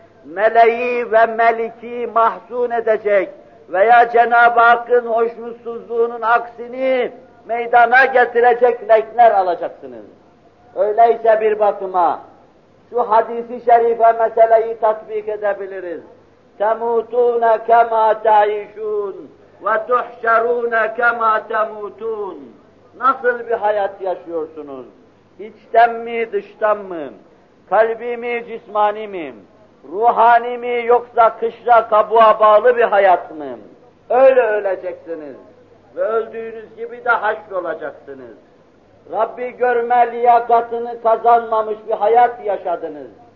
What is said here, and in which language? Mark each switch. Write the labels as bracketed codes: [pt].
[tr] Meleği ve meliki mahzun edecek veya Cenab-ı Hakk'ın hoşnutsuzluğunun aksini meydana getirecek renkler alacaksınız. Öyleyse bir bakıma şu hadisi şerife meseleyi tatbik edebiliriz. [ar] تَمُوتُونَ كَمَا تَعِيشُونَ وَتُحْشَرُونَ كَمَا تَمُوتُونَ [tr] Nasıl bir hayat yaşıyorsunuz? İçten mi, dıştan mı? Kalbi mi, cismani mi? Ruhani mi, yoksa kışla kabuğa bağlı bir hayat mı? Öyle öleceksiniz. Ve öldüğünüz gibi de haşr olacaksınız. Rabbi görme liyakatını kazanmamış bir hayat yaşadınız.